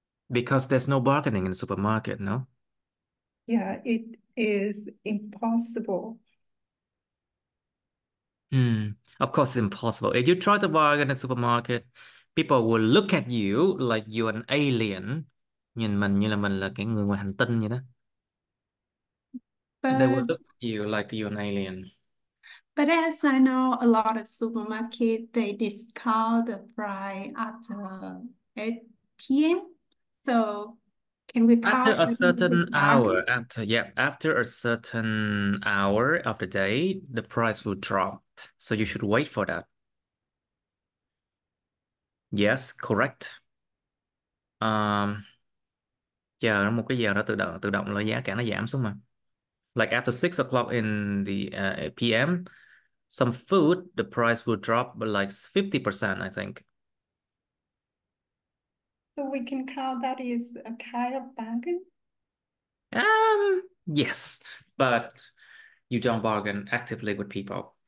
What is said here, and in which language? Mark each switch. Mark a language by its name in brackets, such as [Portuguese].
[English] Because there's no bargaining in the supermarket, no? Yeah, it is impossible. Of course it's impossible. If you try to bargain in the supermarket, people will look at you like you're an alien. [Vietnamese] Nhìn mình như là mình là cái người ngoài hành tinh vậy đó. [English] They will look at you like you're an alien. But as I know, a lot of supermarkets, they discount the price after 8 p.m. So can we park after a certain the hour, market? After a certain hour of the day, the price will drop. So you should wait for that. Yes, correct. [Vietnamese] Chờ một cái giờ đó tự động là giá cả nó giảm xuống mà. [English] Like after 6 o'clock in the PM, some food the price will drop by like 50%, I think. So we can call that is a kind of bargain. Yes, but you don't bargain actively with people.